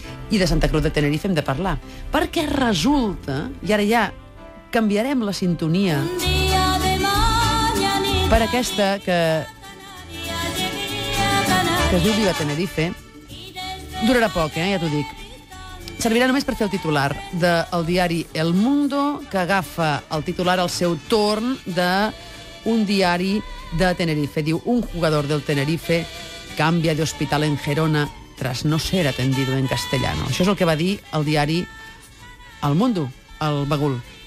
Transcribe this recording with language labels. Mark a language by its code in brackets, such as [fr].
[ca] I de Santa Cruz de Tenerife hem de parlar. Perquè resulta, i ara ja canviarem la sintonia per aquesta que es diu Viva Tenerife, durarà poc, ja t'ho dic. Servirà només per fer el titular del diari El Mundo, que agafa el titular al seu torn d'un diari de Tenerife. Diu, [es] un jugador del Tenerife cambia de hospital en Gerona tras no ser atendido en castellano. [ca] Això és el que va dir el diari El Mundo, el Bagul.